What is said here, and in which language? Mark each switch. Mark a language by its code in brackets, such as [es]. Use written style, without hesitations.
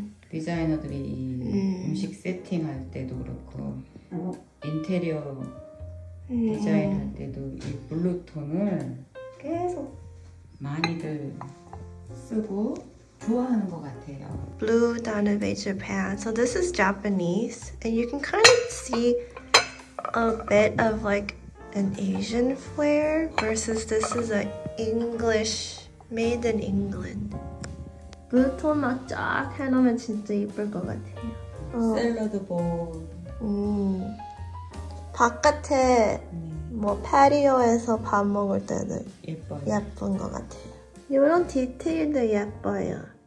[ko] 디자이너들이 음식 세팅할 때도 그렇고 인테리어 디자인할 때도 이 블루톤을 계속 많이들 쓰고 좋아하는 것 같아요. [en] Blue Danube Japan. So this is Japanese. And you can kind of see a bit of like an Asian flair versus this is an English made in England. [ko] 블루톤 막 쫙 해놓으면 진짜 예쁠 것 같아요. 샐러드 볼. 바깥에 뭐 파리오에서 밥 먹을 때는 예뻐요. 예쁜 것 같아요. 이런 디테일도 예뻐요.